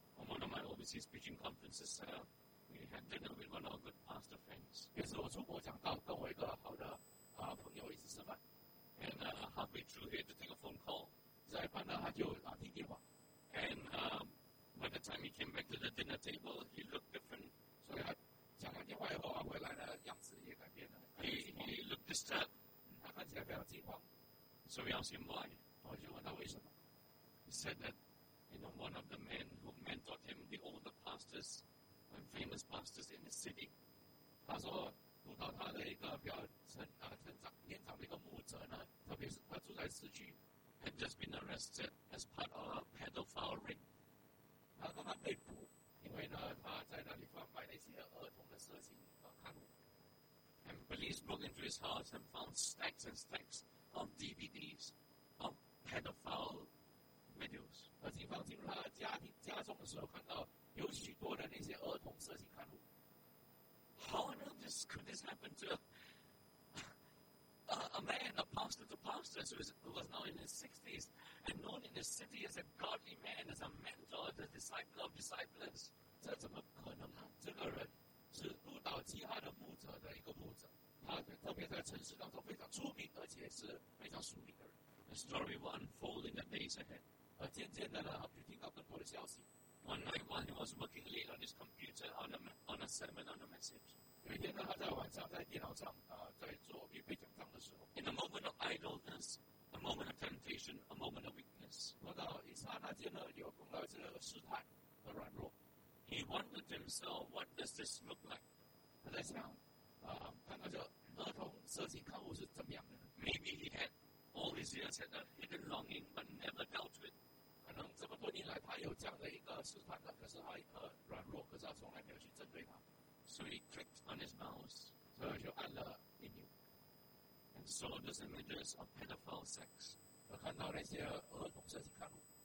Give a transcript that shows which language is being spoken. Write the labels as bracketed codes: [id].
[en] On one of my overseas preaching conferences, we had dinner with one of our good pastor friends. [zh] 也是我出国讲到跟我一个好的朋友一起吃饭。 [en] And halfway through, he had to take a phone call. [zh] 在半道他就打电话。 [en] And by the time he came back to the dinner table, he looked different. [zh] 所以他讲完电话以后，回来的样子也改变了。 [en] He looked disturbed. [zh] 他看起来比较惊慌。 [en] So we asked him why. [zh] 我就问他为什么。 [en] He said that You know, one of the men who mentored him, the older pastors, famous pastors in the city. [zh] 他说，读到他的一个比较成啊成长年长的一个牧者呢，特别是他住在市区 [en] ，had just been arrested as part of a pedophile ring. [zh] 他刚刚被捕，因为呢他在那地方卖那些儿童的色情刊物。 [en] And police broke into his house and found stacks and stacks of DVDs of pedophile videos. [zh] 而警方进入他的家中的时候，看到有许多的那些儿童色情刊物。 [en] How on earth could this happen to a man, a pastor to pastor, who was now in his 60s and known in his city as a godly man, as a mentor, as a disciple of disciples? [zh] 这怎么可能呢？这个人是入道基哈的牧者的一个牧者，他特别在城市当中非常出名，而且是非常熟名的人。 [en] The story will unfold in the days ahead. [zh] 而渐渐的呢，他就听到更多的消息。 [en] One night while he was working late on his computer on a sermon on a message. [zh] 有一天呢，他在晚上在电脑上在做预备讲章的时候 [en] ，In a moment of idleness, a moment of temptation, a moment of weakness. [zh] 碰到一刹那间呢，有碰到这个试探和软弱。 [en] He wondered himself, what does this look like? [zh] 他在想，看到这儿童色情刊物是怎么样的 [en] ？Maybe he had all these years had a hidden longing, but never dealt with. [zh] 可能这么多年来，他有这样的一个试探的，可是他软弱，可是他从来没有去针对他。 [en] So he clicked on his mouse， [zh] 所以就按了按钮。 [en] And saw those images of pedophile sex， [zh] 他看到那些儿童色情刊物。